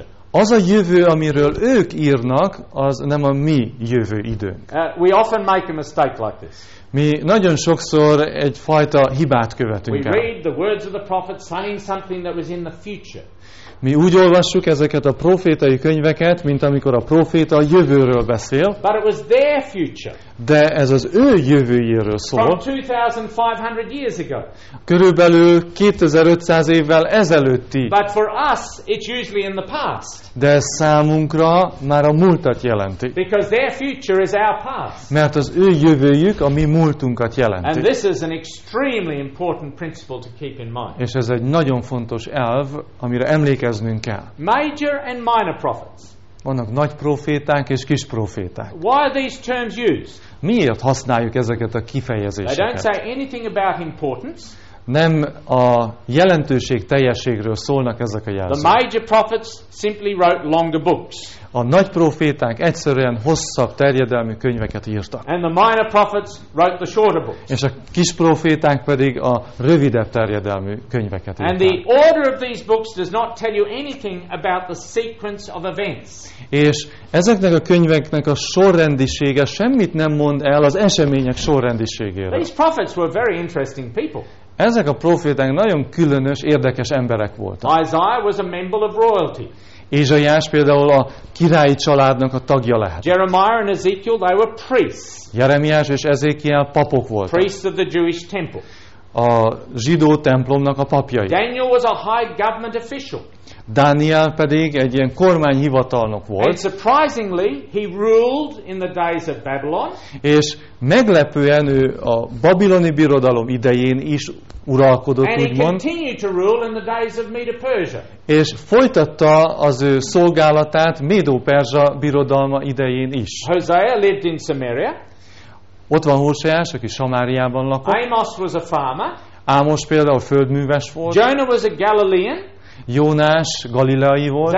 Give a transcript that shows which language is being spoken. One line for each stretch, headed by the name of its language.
Hungarian: Az a jövő, amiről ők írnak, az nem a mi jövő időnk.
English: We often make a mistake like this.
Hungarian: Mi nagyon sokszor egyfajta hibát követünk el.
English: We read the words of the prophet saying something that was in the future.
Hungarian: Mi úgy olvassuk ezeket a prófétai könyveket, mint amikor a proféta a jövőről beszél.
English: But it was their future.
Hungarian: De ez az ő jövőjéről szól.
English: From 2500 years ago.
Hungarian: Körülbelül 2500 évvel ezelőtti.
English: But for us, it's usually in the past.
Hungarian: De ez számunkra már a múltat jelenti.
English: Because their future is our past.
Hungarian: Mert az ő jövőjük a mi múltunkat jelenti.
English: And this is an extremely important principle to keep in mind.
Hungarian: És ez egy nagyon fontos elv, amire emlékeznünk kell.
English: Major and minor prophets.
Hungarian: Vannak nagy proféták és kis proféták.
English: Why are these terms used?
Hungarian: Miért használjuk ezeket a kifejezéseket?
English: They don't say anything about importance.
Hungarian: Nem a jelentőség teljességről szólnak ezek a jelzők.
English: The major prophets simply wrote longer books.
Hungarian: A nagy proféták egyszerűen hosszabb terjedelmű könyveket írtak.
English: And the minor prophets wrote the shorter books.
Hungarian: És a kis proféták pedig a rövidebb terjedelmű könyveket írták.
English: And the order of these books does not tell you anything about the sequence of events.
Hungarian: És ezeknek a könyveknek a sorrendisége semmit nem mond el az események sorrendiségéről.
English: These prophets were very interesting people.
Hungarian: Ezek a proféták nagyon különös, érdekes emberek voltak.
English: Isaiah was a member of royalty.
Hungarian: Ézsaiás például a királyi családnak a tagja lehet.
English: Jeremiah and Ezekiel, they were priests.
Hungarian: Jeremiás és Ezékiel papok voltak.
English: Priests of the Jewish temple.
Hungarian: A zsidó templomnak a papjai.
English: Daniel was a high government official.
Hungarian: Dániel pedig egy ilyen kormányhivatalnok volt.
English: And surprisingly, he ruled in the days of Babylon.
Hungarian: És meglepően ő a babiloni birodalom idején is uralkodott, úgymond.
English: And he continued to rule in the days of Medo-Persia.
Hungarian: És folytatta az ő szolgálatát Medo-Perzsa birodalma idején is.
English: Hosea lived in Samaria.
Hungarian: Ott van Hoseás, aki Samáriában lakott.
English: Amos was a farmer.
Hungarian: Ámos például földműves volt.
English: Jonah was a Galilean.
Hungarian: Jónás galileai volt.